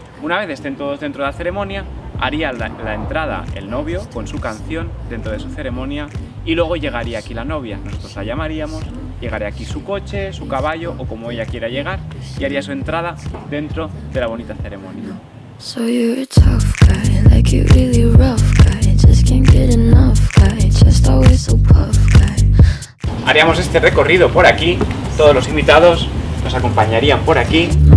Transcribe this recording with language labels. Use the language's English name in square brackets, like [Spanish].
[Spanish] Una vez estén todos dentro de la ceremonia, haría la entrada el novio con su canción dentro de su ceremonia y luego llegaría aquí la novia, nosotros la llamaríamos. Llegaría aquí su coche, su caballo o como ella quiera llegar y haría su entrada dentro de la bonita ceremonia. [English] So you're a tough guy, like you're really rough guy, just can't get enough guy, just always so puff guy. [Spanish] Haríamos este recorrido por aquí, todos los invitados nos acompañarían por aquí.